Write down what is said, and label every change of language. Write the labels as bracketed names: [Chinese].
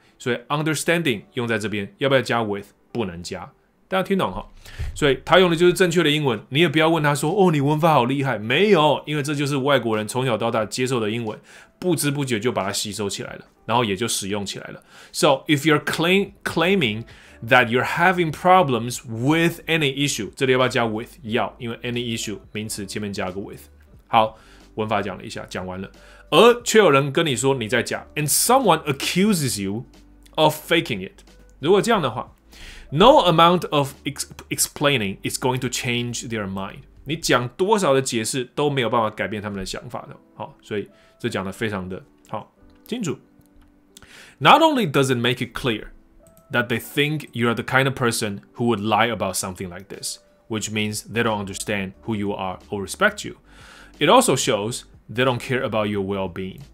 [Chinese] 所以 understanding 用在这边，要不要加 with？ 不能加。大家听懂哈？所以他用的就是正确的英文。你也不要问他说：“哦，你文法好厉害。” 没有，因为这就是外国人从小到大接受的英文，不知不觉就把它吸收起来了，然后也就使用起来了。 [English] So if you're claiming that you're having problems with any issue， [Chinese] 这里要不要加 [English] with？ [Chinese] 要，因为 any issue 名词前面加个 with。好。文法讲了一下，讲完了，而却有人跟你说你在假 ， [English] and someone accuses you of faking it。 [Chinese] 如果这样的话 [English] ，no amount of explaining is going to change their mind。 [Chinese] 你讲多少的解释都没有办法改变他们的想法的。好，所以这讲的非常的好清楚。 [English] Not only does it make it clear that they think you are the kind of person who would lie about something like this, which means they don't understand who you are or respect you。 It also shows they don't care about your well-being.